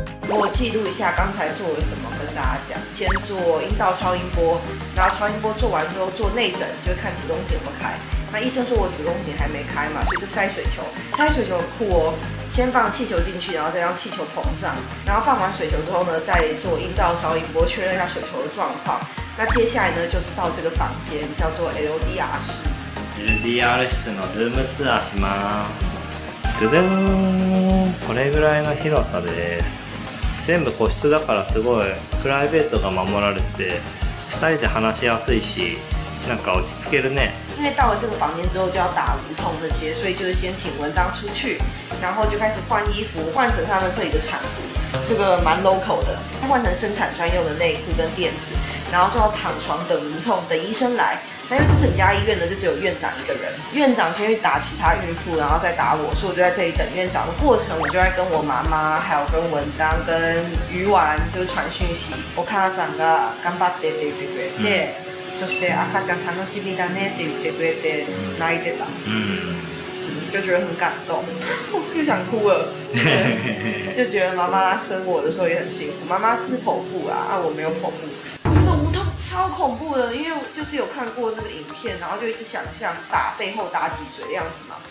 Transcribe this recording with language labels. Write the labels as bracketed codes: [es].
[zh] 我记录一下刚才做了什么，跟大家讲。先做阴道超音波，然后超音波做完之后做内诊，就看子宫颈怎么开。那医生说我子宫颈还没开嘛，所以就塞水球。塞水球很酷哦，先放气球进去，然后再让气球膨胀，然后放完水球之后呢，再做阴道超音波确认一下水球的状况。那接下来呢，就是到这个房间叫做 LDR 室。 [ja] LDR 室のルームツアーします。ドゥドゥーン、これぐらいの広さです。全部個室だからすごいプライベートが守られて、2人で話しやすいし。なんか落ち着けるね。 [zh] 因为到了这个房间之后就要打无痛这些，所以就是先请文当出去，然后就开始换衣服，换成他们这里的产服，这个蛮 local 的，换成生产专用的内裤跟垫子，然后就要躺床等无痛，等医生来。那因为这整家医院呢，就只有院长一个人，院长先去打其他孕妇，然后再打我，所以我就在这里等院长的过程，我就在跟我妈妈，还有跟文当、跟鱼丸就是传讯息。我看到三个干巴爹爹爹爹。 [ja] そして赤ちゃん楽しみだねって言ってくれて泣いてた。 [zh] 就觉得很感动，我就想哭了。就觉得妈妈生我的时候也很幸福。妈妈是剖腹啊，我没有剖腹。无痛无痛，超恐怖的，因为就是有看过那个影片，然后就一直想象打背后打脊髓的样子嘛。